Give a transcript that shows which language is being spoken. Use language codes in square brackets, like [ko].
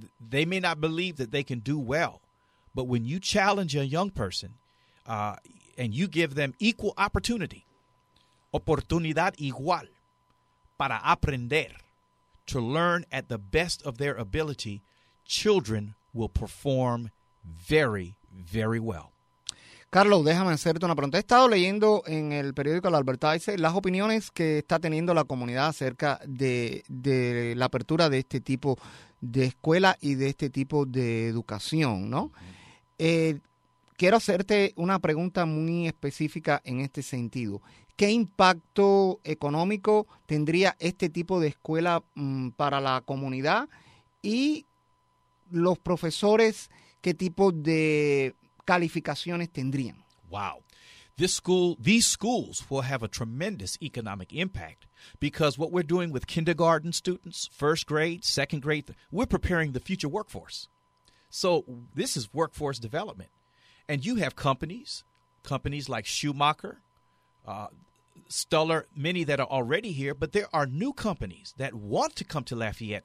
[en] They may not believe that they can do well, but when you challenge a young person and you give them equal opportunity, [es] oportunidad igual, para aprender, [en] to learn at the best of their ability, children will perform very, very well. [es] Carlos, déjame hacerte una pregunta. He estado leyendo en el periódico El Advertiser las opiniones que está teniendo la comunidad acerca de la apertura de este tipo de escuela y de este tipo de educación, ¿no? Quiero hacerte una pregunta muy específica en este sentido. ¿Qué impacto económico tendría este tipo de escuela para la comunidad y los profesores, qué tipo de calificaciones tendrían? Wow. [en] These schools will have a tremendous economic impact because what we're doing with kindergarten students, first grade, second grade, we're preparing the future workforce. So this is workforce development. And you have companies like Schumacher, Stuller, many that are already here, but there are new companies that want to come to Lafayette.